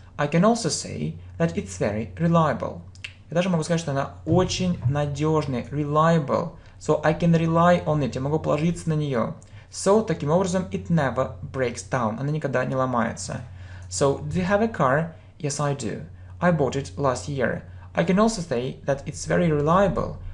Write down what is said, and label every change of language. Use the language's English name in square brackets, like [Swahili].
[English] I can also say that it's very reliable. [Russian] Я даже могу сказать, что она очень надежная, reliable. [English] So I can rely on it, [Russian] я могу положиться на нее. [English] So, [Russian] таким образом, [English] it never breaks down. [Russian] Она никогда не ломается. [English] So, do you have a car? Yes, I do. I bought it last year. I can also say that it's very reliable.